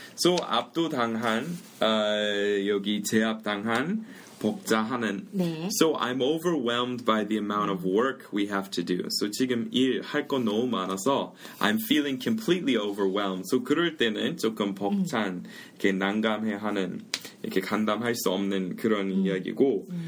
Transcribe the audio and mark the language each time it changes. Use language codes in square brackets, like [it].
[ko] So 압도당한, 여기 제압당한. 복잡하는. 네. [en] So I'm overwhelmed by the amount of work we have to do. [ko] So 지금 일 할 거 너무 많아서 [en] I'm feeling completely overwhelmed. [ko] So 그럴 때는 조금 벅찬, 이렇게 난감해하는, 이렇게 감당할 수 없는 그런 이야기고.